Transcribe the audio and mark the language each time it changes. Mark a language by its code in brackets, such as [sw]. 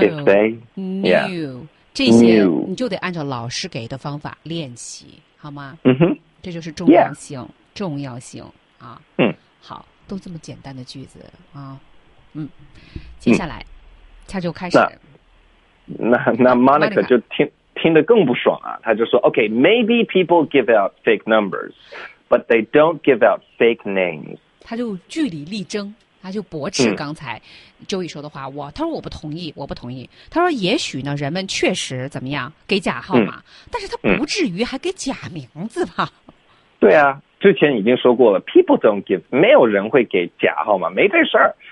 [en] if they knew， yeah， [zh] 这些你就得按照老师给的方法练习，好吗？嗯哼，这就是重要性， [en] yeah， [zh] 重要性啊。嗯，好，都这么简单的句子啊，嗯，接下来他就开始。那 Monica 就听得更不爽啊，他就说 [en] OK， maybe people give out fake numbers but they don't give out fake names， [zh] 他就据理力争，他就驳斥刚才 Joey 说的话。他说我不同意，他说也许呢人们确实怎么样给假号码，但是他不至于还给假名字吧。对啊，之前已经说过了， [en] people don't give， [zh] 没有人会给假号码，没这事儿。